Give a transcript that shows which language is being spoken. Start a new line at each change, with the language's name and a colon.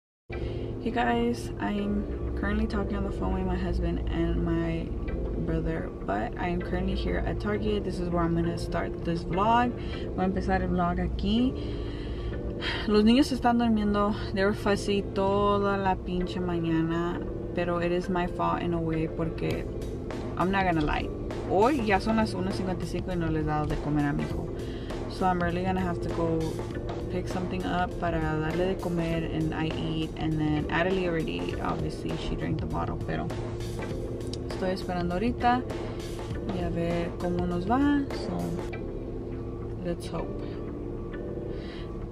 English: Hey guys, I'm currently talking on the phone with my husband and my brother, but I am currently here at Target. This is where I'm going to start this vlog.
Spanish: Voy a empezar el vlog aquí. Los niños están durmiendo.
English: They were fussy
Spanish: toda la pinche mañana, pero
English: it is my fault in a way
Spanish: porque
English: I'm not going to lie.
Spanish: Hoy ya son las 1:55 y no les he dado de comer a mi hijo.
English: So I'm really going to have to go pick something up
Spanish: para darle de comer,
English: and I eat, and then Adelie already ate. Obviously she drank the bottle,
Spanish: pero estoy esperando ahorita y a ver cómo nos va.
English: So let's hope.